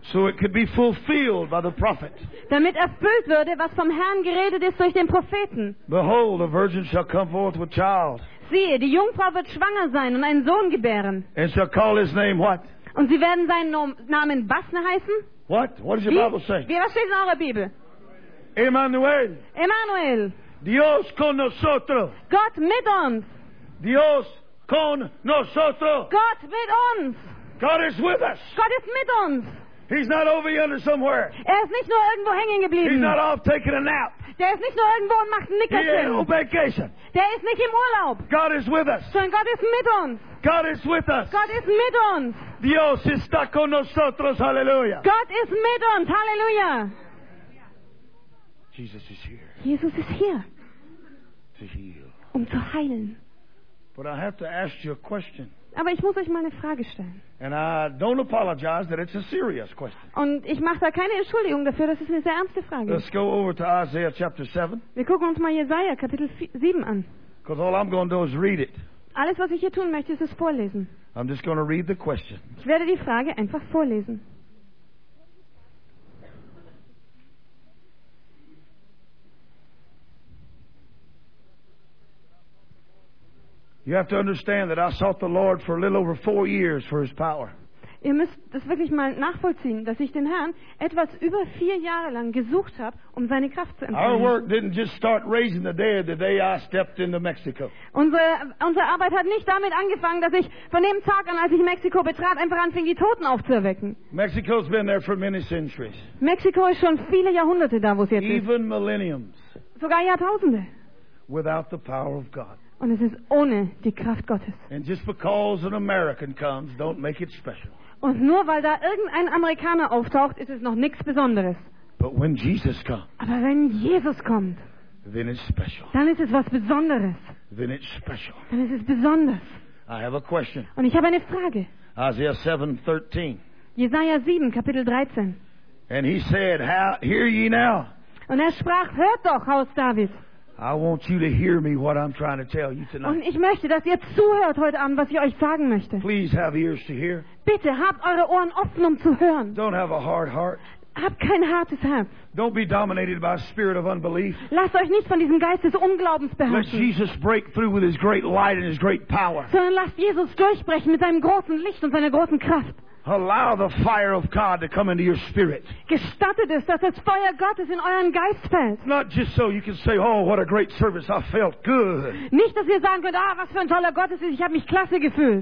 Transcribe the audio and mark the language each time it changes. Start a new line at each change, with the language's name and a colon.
English: So it could be fulfilled by the prophet.
German: Damit erfüllt würde, was vom Herrn geredet ist durch den Propheten.
English: Behold, a virgin shall come forth with child.
German: Siehe, die Jungfrau wird schwanger sein und einen Sohn gebären.
English: And shall call his name what?
German: Und sie werden seinen Namen Basna heißen.
English: What? What does your Bible say?
German: Wie, was steht in eurer Bibel?
English: Emmanuel.
German: Emmanuel.
Spanish: Dios con nosotros.
German: Gott mit uns.
Spanish: Dios con nosotros.
German: Gott mit uns.
English: God is with us.
German: Gott ist mit uns.
English: He's not over yonder somewhere.
German: Er ist nicht nur irgendwo hängen geblieben.
English: He's not off taking a nap.
German: Der ist nicht nur irgendwo und macht ein Nickerchen.
English: He is on vacation.
German: Der ist nicht im Urlaub.
English: God is with us.
German: Sondern Gott ist mit uns.
English: God is with us.
German: Gott ist mit uns.
Spanish: Dios está con nosotros. Hallelujah.
German: Gott ist mit uns. Hallelujah.
English: Jesus is here.
German: Jesus ist hier.
English: To heal.
German: Um zu heilen.
English: But I have to ask you a question.
German: Aber ich muss euch mal eine Frage stellen.
English: And I don't apologize that it's a serious question.
German: Und ich mache da keine Entschuldigung dafür, das ist eine sehr ernste Frage.
English: Let's go over to Isaiah chapter 7.
German: Wir gucken uns mal Jesaja Kapitel 7 an.
English: Because all I'm going to do is read it.
German: Alles, was ich hier tun möchte, ist es vorlesen.
English: I'm just going to read the question.
German: Ich werde die Frage einfach vorlesen.
English: You have to understand that I sought the Lord for a little over 4 years for his power.
German: Ihr müsst das wirklich mal nachvollziehen, dass ich den Herrn etwas über 4 Jahre lang gesucht habe, um seine Kraft zu empfangen.
English: Our work didn't just start raising the dead the day I stepped into Mexico.
German: Unsere Arbeit hat nicht damit angefangen, dass ich von dem Tag an, als ich Mexiko betrat, einfach anfing, die Toten aufzuerwecken.
English: Mexico's been there for many centuries.
German: Mexiko ist schon viele Jahrhunderte da, wo es jetzt ist.
English: Even millenniums.
German: Sogar Jahrtausende.
English: Without the power of God.
German: Und es ist ohne die Kraft Gottes.
English: And just because an American comes, don't make it special.
German: Und nur weil da irgendein Amerikaner auftaucht, ist es noch nichts Besonderes.
English: But when Jesus comes,
German: aber wenn Jesus kommt,
English: then it's special.
German: Dann ist es was Besonderes.
English: Then it's special.
German: Dann ist es besonders.
English: I have a question.
German: Und ich habe eine Frage.
English: Isaiah 7, 13.
German: Jesaja 7, Kapitel 13.
English: And he said, hear ye now.
German: Und er sprach, hört doch, Haus David.
English: I want you to hear me what I'm trying to tell you tonight.
German: Und ich möchte, dass ihr zuhört heute Abend, was ich euch sagen möchte.
English: Please have ears to hear.
German: Bitte habt eure Ohren offen, um zu hören.
English: Don't have a hard heart.
German: Habt kein hartes Herz.
English: Don't be dominated by a spirit of unbelief.
German: Lasst euch nicht von diesem Geist des Unglaubens beherrschen.
English: Let Jesus break through with his great light and his great power.
German: Sondern lasst Jesus durchbrechen mit seinem großen Licht und seiner großen Kraft.
English: Allow the fire of God to come into your spirit.
German: Gestattet es, dass das Feuer Gottes in euren Geist fällt.
English: Not just so you can say, oh, what a great service, I felt good.
German: Nicht, dass ihr sagen könnt, ah, was für ein toller Gottesdienst, ich habe mich klasse gefühlt.